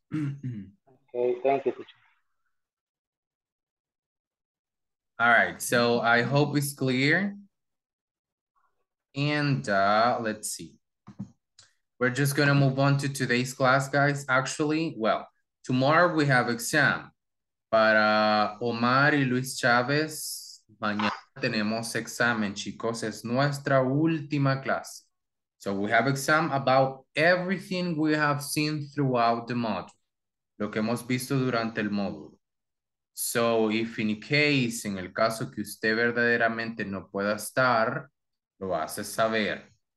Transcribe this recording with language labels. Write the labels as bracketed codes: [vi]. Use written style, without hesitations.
[en] Okay, thank you. All right, so I hope it's clear. And let's see. We're just going to move on to today's class, guys. Actually, well, tomorrow we have exam. [es] Para Omar y Luis Chavez, mañana tenemos examen, chicos. Es nuestra última clase. [en] So we have exam about everything we have seen throughout the module. [es] Lo que hemos visto durante el módulo. [en] So if in case, [es] en el caso que usted verdaderamente no pueda estar, lo hace saber.